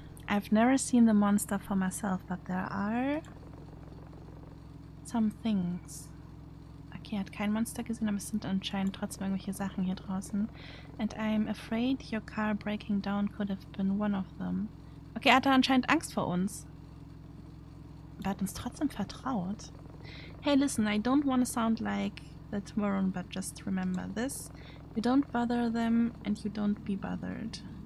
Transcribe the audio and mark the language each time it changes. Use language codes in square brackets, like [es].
[en] I've never seen the monster for myself, but there are some things. [de] Okay, er hat kein Monster gesehen, aber es sind anscheinend trotzdem irgendwelche Sachen hier draußen. [en] And I'm afraid your car breaking down could have been one of them. [de] Okay, er hatte anscheinend Angst vor uns. Aber hat uns trotzdem vertraut. [en] Hey, listen, I don't want to sound like the tomorrow, but just remember this. You don't bother them and you don't be bothered.